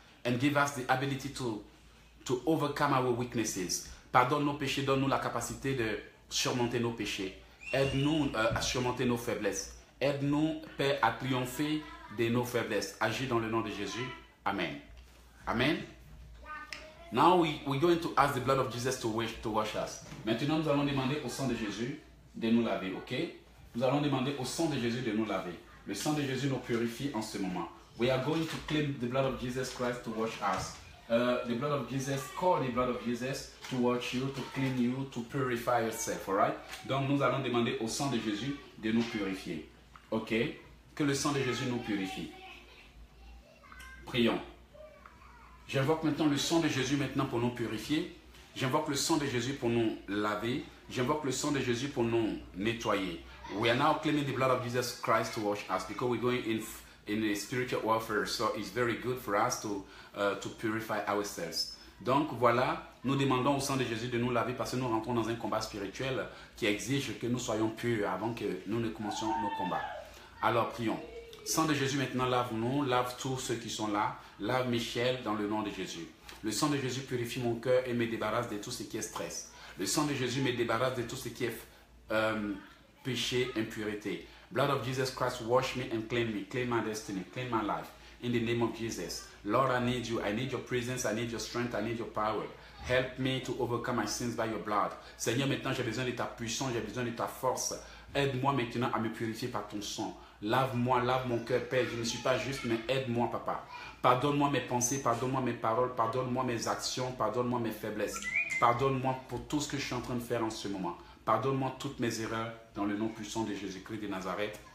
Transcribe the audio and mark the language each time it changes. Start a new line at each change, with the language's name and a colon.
English: And give us the ability to overcome our weaknesses.
French: Pardonne nos péchés. Donne-nous la capacité de surmonter nos péchés. Aide-nous à surmonter nos faiblesses. Aide-nous, Père, à triompher de nos faiblesses. Agis dans le nom de Jésus. Amen. Amen.
English: Now we're going to ask the blood of Jesus to wash us.
French: Maintenant, nous allons demander au sang de Jésus de nous laver, ok? Nous allons demander au sang de Jésus de nous laver. Le sang de Jésus nous purifie en ce moment.
English: We are going to claim the blood of Jesus Christ to wash us. The blood of Jesus, call the blood of Jesus to wash you, to clean you, to purify yourself, alright?
French: Donc, nous allons demander au sang de Jésus de nous purifier. Ok, que le sang de Jésus nous purifie. Prions. J'invoque maintenant le sang de Jésus maintenant pour nous purifier. J'invoque le sang de Jésus pour nous laver. J'invoque le sang de Jésus pour nous nettoyer.
English: We are now claiming the blood of Jesus Christ to wash us because we're going in a spiritual warfare. So it's very good for us to purify ourselves.
French: Donc voilà, nous demandons au sang de Jésus de nous laver parce que nous rentrons dans un combat spirituel qui exige que nous soyons purs avant que nous ne commencions nos combats. Alors prions. Sang de Jésus maintenant lave-nous, lave tous ceux qui sont là, lave Michel dans le nom de Jésus. Le sang de Jésus purifie mon cœur et me débarrasse de tout ce qui est stress. Le sang de Jésus me débarrasse de tout ce qui est péché, impurité.
English: Blood of Jesus Christ, wash me, clean my destiny, clean my life. In the name of Jesus. Lord, I need you. I need your presence. I need your strength. I need your power. Help me to overcome my sins by your blood.
French: Seigneur, maintenant, j'ai besoin de ta puissance. J'ai besoin de ta force. Aide-moi maintenant à me purifier par ton sang. Lave-moi, lave mon cœur, Père. Je ne suis pas juste, mais aide-moi, Papa. Pardonne-moi mes pensées. Pardonne-moi mes paroles. Pardonne-moi mes actions. Pardonne-moi mes faiblesses. Pardonne-moi pour tout ce que je suis en train de faire en ce moment. Pardonne-moi toutes mes erreurs dans le nom puissant de Jésus-Christ de Nazareth.